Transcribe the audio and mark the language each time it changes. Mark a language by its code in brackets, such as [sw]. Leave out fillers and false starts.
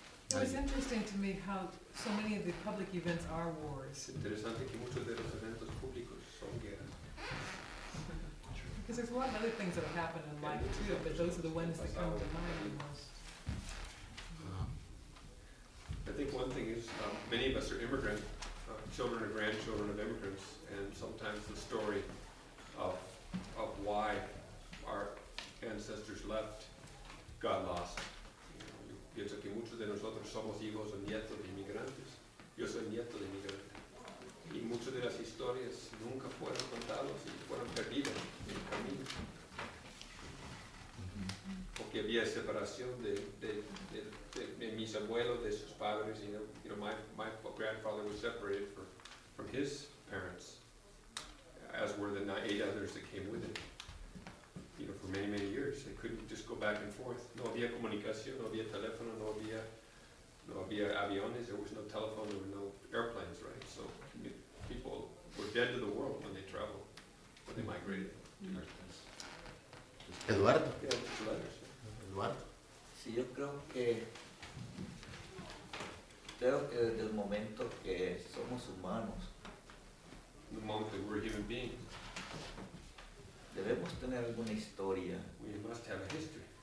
[en] it was interesting to me how so many of the public events are wars. [es] Interesante que muchos de los eventos públicos son guerras. [en] Because there's a lot of other things that have happened in life too, but those are the ones that come to mind the most. I think one thing is many of us are immigrant, children or grandchildren of immigrants, and sometimes the story of why our ancestors left, got lost. You know, [es] pienso que muchos de nosotros somos hijos o nietos de inmigrantes. Yo soy nieto de inmigrante. Y muchas de las historias nunca fueron contadas y fueron perdidas en el camino. Porque había separación de mis abuelos, de sus padres. [en] You know, my grandfather was separated from his parents, as were the 8 others that came with him. You know, for many, many years, they couldn't just go back and forth. [es] No había comunicación, no había [en] teléfono, no había [es] via aviones, [en] there was no telephone, there were no airplanes, right? So people were dead to the world when they traveled, when they migrated. Mm-hmm. Eduardo. Eduardo. [es] Sí, yo creo que desde el momento que somos humanos, [en] the moment that we're human beings, [es] debemos tener alguna historia, [en] we must have a history,